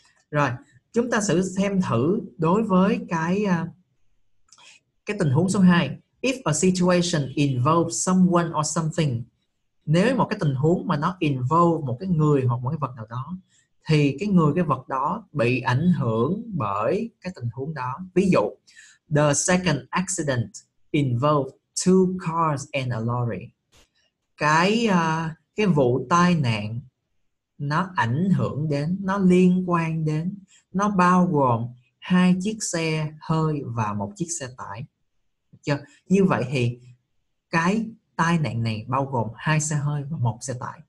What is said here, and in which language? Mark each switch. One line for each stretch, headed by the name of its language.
Vietnamese: Rồi, chúng ta sẽ xem thử đối với cái tình huống số 2.
English: If a situation involves someone or something,
Vietnamese: nếu một cái tình huống mà nó involve một cái người hoặc một cái vật nào đó, thì cái người, cái vật đó bị ảnh hưởng bởi cái tình huống đó. Ví dụ,
English: the second accident involved two cars and a lorry.
Vietnamese: Cái vụ tai nạn nó ảnh hưởng đến, nó liên quan đến, nó bao gồm hai chiếc xe hơi và một chiếc xe tải. Chưa? Như vậy thì cái tai nạn này bao gồm hai xe hơi và một xe tải.